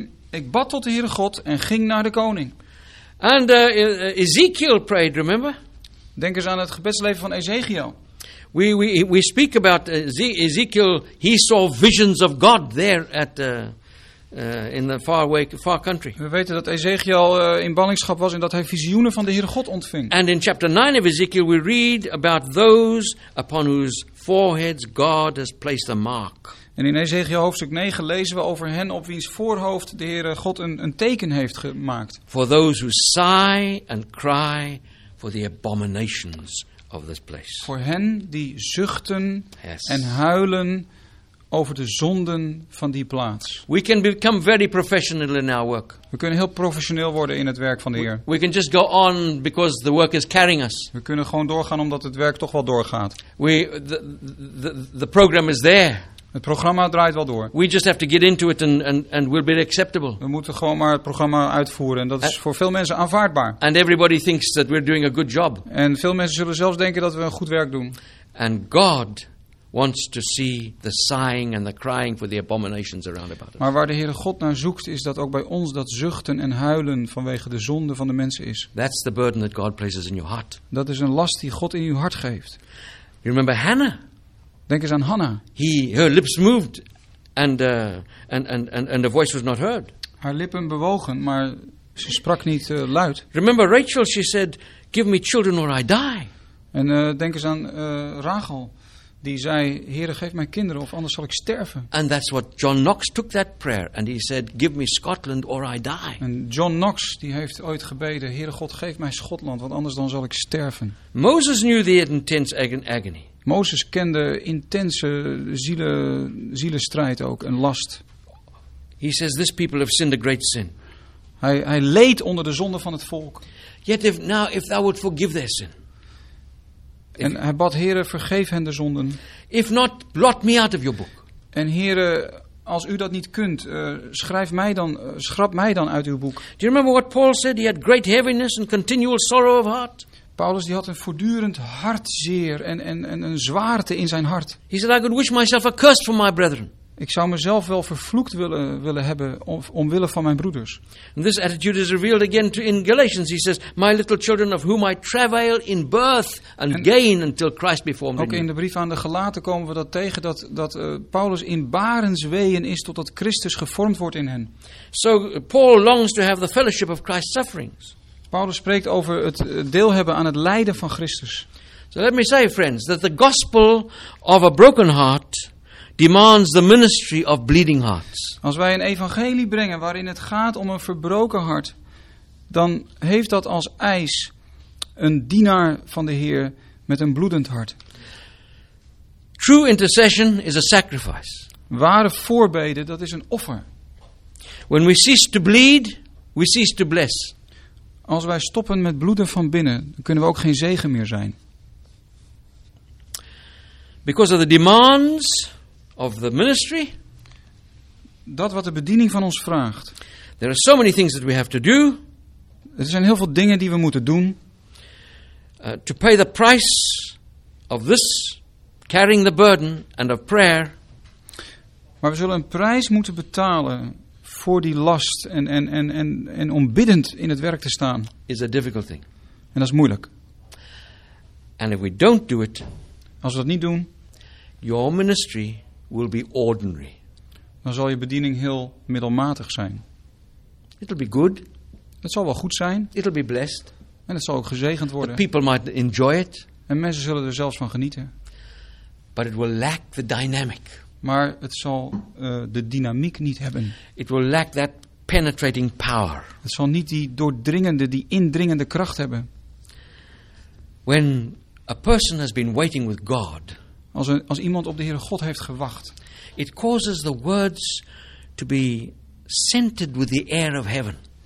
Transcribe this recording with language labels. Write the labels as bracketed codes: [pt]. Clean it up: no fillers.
[nl] Ik bad tot de Heere God en ging naar de koning. [en] And Ezekiel prayed, remember? [nl] Denk eens aan het gebedsleven van Ezekiel. [en] We speak about Ezekiel. He saw visions of God there at in the far country. [nl] We weten dat Ezekiel in ballingschap was en dat hij visioenen van de Heere God ontving. [en] And in chapter 9 of Ezekiel we read about those upon whose foreheads God has placed a mark. [nl] En in Ezekiel hoofdstuk 9 lezen we over hen op wiens voorhoofd de Heere God een teken heeft gemaakt. [en] For those who sigh and cry for the abominations of this place. [nl] Voor hen die zuchten, yes, en huilen over de zonden van die plaats. [en] We can become very professional in our work. [nl] We kunnen heel professioneel worden in het werk van de Heer. [en] We can just go on because the work is carrying us. [nl] We kunnen gewoon doorgaan omdat het werk toch wel doorgaat. [en] The program is there. [nl] Het programma draait wel door. [en] We just have to get into it and we'll be acceptable. [nl] We moeten gewoon maar het programma uitvoeren en dat is voor veel mensen aanvaardbaar. [en] And everybody thinks that we're doing a good job. [nl] En veel mensen zullen zelfs denken dat we een goed werk doen. [en] And God wants to see the sighing and the crying for the abominations around about us. [nl] Maar waar de Heere God naar zoekt is dat ook bij ons dat zuchten en huilen vanwege de zonde van de mensen is. [en] That's the burden that God places in your heart. [nl] Dat is een last die God in uw hart geeft. [en] You remember Hannah? [nl] Denk eens aan Hannah. [en] Her lips moved and the voice was not heard. [nl] Haar lippen bewogen, maar ze sprak niet luid. [en] Remember Rachel, she said, give me children or I die. [nl] En denk eens aan Rachel, die zei, Heere, geef mij kinderen of anders zal ik sterven. [en] And that's what John Knox took that prayer and he said, give me Scotland or I die. [nl] En John Knox, die heeft ooit gebeden, Heere God, geef mij Schotland, want anders dan zal ik sterven. [en] Moses knew the intense agony. [nl] Mozes kende intense zielenstrijd ook, een last. [en] He says, this people have sinned a great sin. [nl] Hij leed onder de zonde van het volk. [en] Yet if now if thou would forgive their sin. [nl] En hij bad, Heere, vergeef hen de zonden. [en] If not, blot me out of your book. [nl] En Heere, als u dat niet kunt, schrap mij dan uit uw boek. [en] Do you remember what Paul said? He had great heaviness and continual sorrow of heart. [nl] Paulus die had een voortdurend hartzeer en een zwaarte in zijn hart. [en] He said, I could wish myself accursed for my brethren. [nl] Ik zou mezelf wel vervloekt willen hebben omwille van mijn broeders. [en] And this attitude is revealed again in Galatians. He says, my little children of whom I travail in birth and gain until Christ be formed in [nl] you. Ook in de brief aan de Galaten komen we dat tegen dat Paulus in barensweeën is totdat Christus gevormd wordt in hen. [en] So Paul longs to have the fellowship of Christ's sufferings. [nl] Paulus spreekt over het deel hebben aan het lijden van Christus. [en] So let me say, friends, that the gospel of a broken heart demands the ministry of bleeding hearts. [nl] Als wij een evangelie brengen waarin het gaat om een verbroken hart, dan heeft dat als eis een dienaar van de Heer met een bloedend hart. [en] True intercession is a sacrifice. [nl] Ware voorbeden, dat is een offer. [en] When we cease to bleed, we cease to bless. [nl] Als wij stoppen met bloeden van binnen, dan kunnen we ook geen zegen meer zijn. [en] Because of the demands of the ministry, [nl] dat wat de bediening van ons vraagt. [en] There are so many things that we have to do. [nl] Er zijn heel veel dingen die we moeten doen. [en] To pay the price of this, carrying the burden and of prayer. [nl] Maar we zullen een prijs moeten betalen voor die last en om biddend in het werk te staan. [en] Is a difficult thing. [nl] En dat is moeilijk. [en] And if we don't do it, [nl] als we dat niet doen, [en] your ministry will be ordinary. [nl] Dan zal je bediening heel middelmatig zijn. [en] It'll be good. [nl] Het zal wel goed zijn. [en] It'll be blessed. [nl] En het zal ook gezegend worden. [en] The people might enjoy it. [nl] En mensen zullen er zelfs van genieten. [en] But it will lack the dynamic. [nl] Maar het zal de dynamiek niet hebben. [en] It will lack that penetrating power. [nl] Het zal niet die doordringende, die indringende kracht hebben. [en] When a person has been waiting with God, [nl] als iemand op de Heere God heeft gewacht, [en] it causes the words to be scented with the air of heaven.